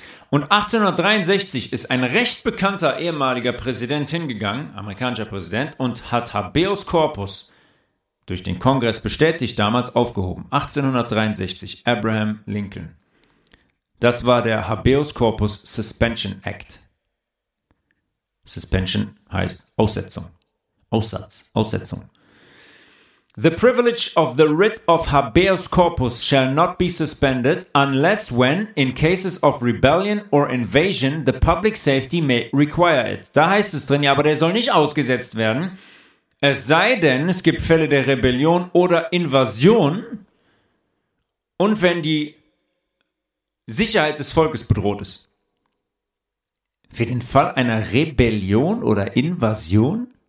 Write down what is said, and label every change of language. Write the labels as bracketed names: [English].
[German] Und 1863 ist ein recht bekannter ehemaliger Präsident hingegangen, amerikanischer Präsident, und hat Habeas Corpus durch den Kongress bestätigt, damals aufgehoben. 1863, Abraham Lincoln. Das war der Habeas Corpus Suspension Act. Suspension heißt Aussetzung. Aussatz, Aussetzung. [English] The privilege of the writ of habeas corpus shall not be suspended unless when, in cases of rebellion or invasion, the public safety may require it. [German] Da heißt es drin, ja, aber der soll nicht ausgesetzt werden. Es sei denn, es gibt Fälle der Rebellion oder Invasion und wenn die Sicherheit des Volkes bedroht ist. Für den Fall einer Rebellion oder Invasion?